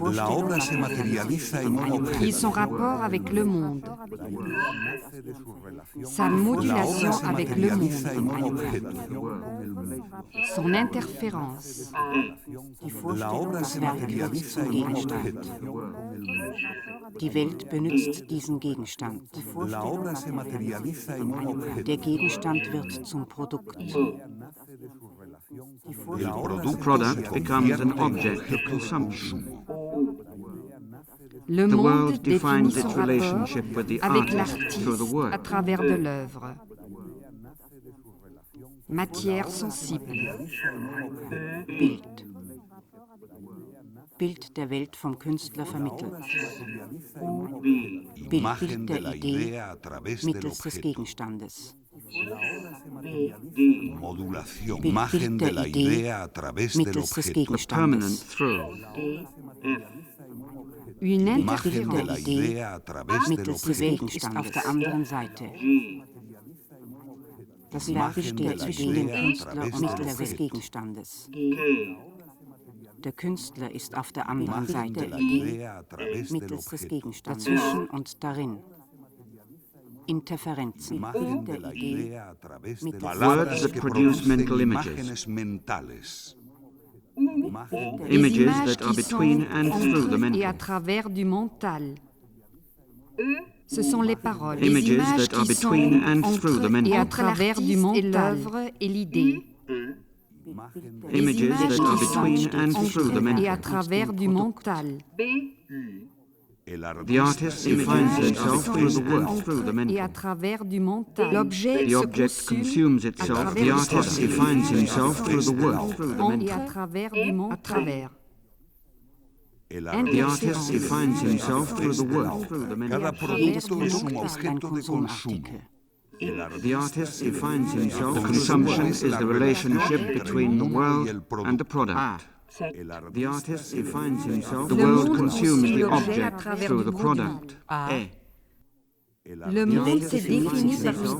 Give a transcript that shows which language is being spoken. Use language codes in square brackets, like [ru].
[es] La obra se materializa en un objeto. [fr] Y son rapport avec le monde. Sa modulation avec le monde. Son interférence. [es] La obra se materializa en un objeto. [de] Die Welt benutzt diesen Gegenstand. [es] La obra se materializa en un objeto. [de] Der Gegenstand wird zum Produkt. [en] The product becomes an object of consumption. [fr] Le monde [en] the world defines its relationship with the artist through the work. [fr] À travers de l'œuvre. Matière sensible. [de] Bild. Bild der Welt vom Künstler vermittelt. Bild der Idee mittels des Gegenstandes. [es] Modulación, imagen de la idea a través del objeto. [en] Permanent through. [es] Una imagen de la idea a través del objeto. [de] Auf der anderen Seite. Das Werk besteht zwischen dem Künstler und Mittel des Gegenstandes. Der Künstler ist auf der anderen Seite. Mittel des Gegenstandes. Dazwischen und darin. Interferenzen. [es] Imagen de la idea a través de palabras que producen imágenes mentales. [en] Images that are between and through the mental. [fr] Et à travers du mental. Ce sont les paroles. [en] Images that are between and through the mental. [fr] Et à travers du mental. L'œuvre et l'idée. [en] Images that are between and through the mental. [fr] Et à travers du mental. [en] The artist defines himself through the world, through the mental. [fr] Et à travers du mental. [en] L'objet the object consumes itself. The artist defines himself through the world, through the mental. [fr] Et à travers du mental. À travers. [en] The artist defines himself through the world, through the mental. [es] Cada producto es un objeto de consumo. [en] The artist defines himself. Consumption is the relationship between the world and the product. The artist defines himself. The world consumes the object through the product. A. [fr] Le monde se définit par le